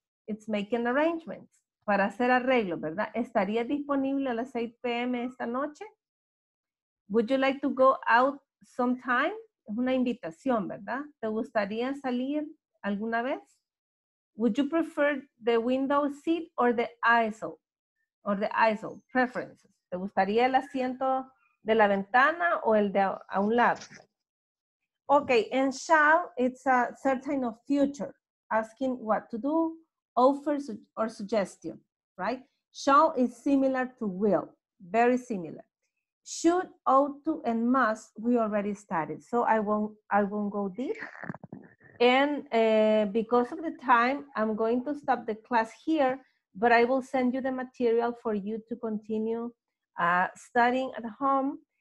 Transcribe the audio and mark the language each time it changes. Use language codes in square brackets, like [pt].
[en] It's making arrangements, [es] para hacer arreglos, ¿verdad? ¿Estaría disponible a las 6 p.m. esta noche? [en] Would you like to go out sometime? [es] Es una invitación, ¿verdad? ¿Te gustaría salir alguna vez? [en] Would you prefer the window seat or the aisle? Or the aisle, preferences. [es] ¿Te gustaría el asiento de la ventana o el de a un lado? [en] Okay, and shall, it's a certain of future, asking what to do. Offer or suggestion, right? Shall is similar to will, very similar. Should, ought to, and must, we already started. So I won't go deep. And because of the time, I'm going to stop the class here, but I will send you the material for you to continue studying at home.